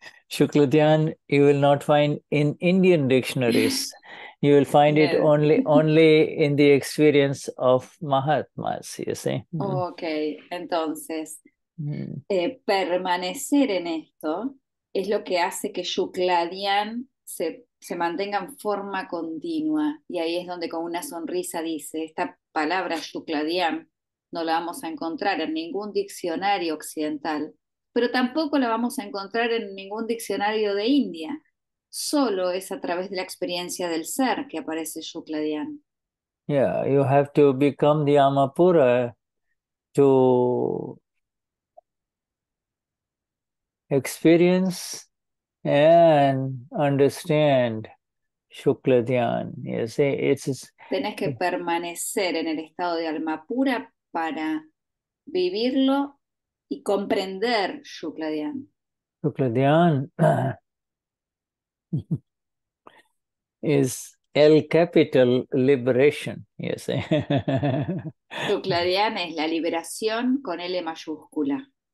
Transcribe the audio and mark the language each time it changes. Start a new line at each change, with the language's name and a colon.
English: Shukla Dhyan, you will not find in Indian dictionaries. You will find it only in the experience of Mahatmas, you see. Mm.
Spanish: Okay, entonces, permanecer en esto es lo que hace que Shukladian se mantenga en forma continua. Y ahí es donde con una sonrisa dice, esta palabra Shukladian no la vamos a encontrar en ningún diccionario occidental, pero tampoco la vamos a encontrar en ningún diccionario de India. Solo es a través de la experiencia del ser que aparece Shukla Dhyan.
English: Yeah, you have to become the Amapura to experience and understand Shukla Dhyan. You see, it's
Spanish: tienes que permanecer en el estado de alma pura para vivirlo y comprender Shukla Dhyan.
English: Shukla Dhyan is el capital liberation, you see.
Spanish: Shukla Dhyan es la liberación con L mayúscula.